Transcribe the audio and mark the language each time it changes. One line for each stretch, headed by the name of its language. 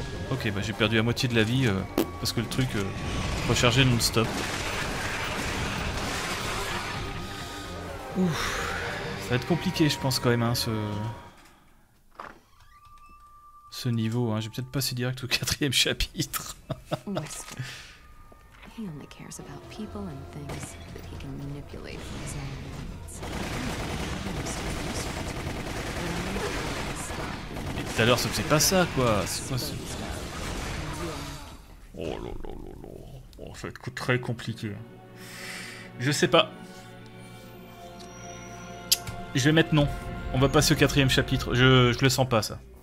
French: Ok, bah j'ai perdu la moitié de la vie parce que le truc recharger non-stop. Ouf, ça va être compliqué, je pense, quand même, hein, ce niveau, hein. J'ai peut-être passé direct au quatrième chapitre.
English: He only cares about people and things that he can manipulate from his own hands.
French: Et tout à l'heure, ça faisait pas ça, quoi. C'est quoi ce... Oh là là là là. Bon, ça va être très compliqué. Je sais pas. Je vais mettre non. On va passer au quatrième chapitre. Je le sens pas, ça.